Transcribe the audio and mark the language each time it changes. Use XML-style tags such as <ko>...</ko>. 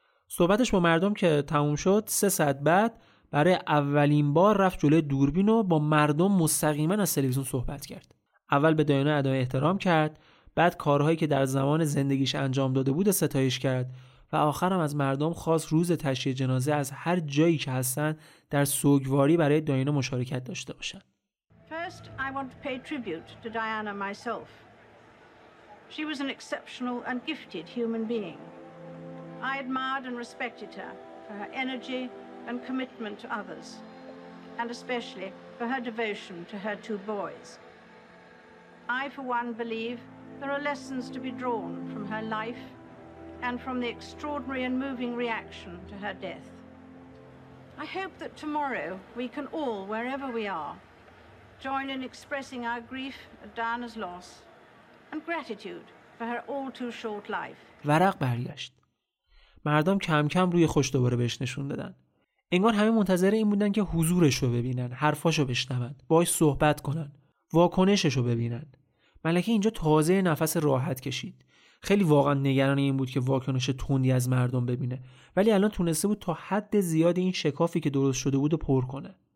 <fa>صحبتش با مردم که تموم شد، 3 ساعت بعد برای اولین بار رفت جلوی دوربین و با مردم مستقیما از تلویزیون صحبت کرد. اول به داینا ادای احترام کرد، بعد کارهایی که در زمان زندگیش انجام داده بود ستایش کرد و آخر هم از مردم خواست روز تشییع جنازه از هر جایی که هستن در سوگواری برای داینا مشارکت داشته باشن.</fa> <en>First, I want to pay tribute to Diana myself. She was an exceptional and gifted human being. I admired and respected her for her energy and commitment to others, and especially for her devotion to her 2 boys. I, for one, believe there are lessons to be drawn from her life and from the extraordinary and moving reaction to her death. I hope that tomorrow we can all, wherever we are, join in expressing our grief at Diana's loss and gratitude for her all too short life.</en> <fa>ورق برگشت. مردم کم کم روی خوش دوباره بهش نشون دادن. انگار همه منتظر این بودن که حضورش رو ببینن، حرفاش رو بشنون، باهاش صحبت کنن، واکنشش رو ببینن. ملکه اینجا تازه نفس راحت کشید. خیلی واقعا نگران این بود که واکنش تندی از مردم ببینه، ولی الان تونسته بود تا حد زیاد این شکافی که درست شده بود رو پر کنه.</fa>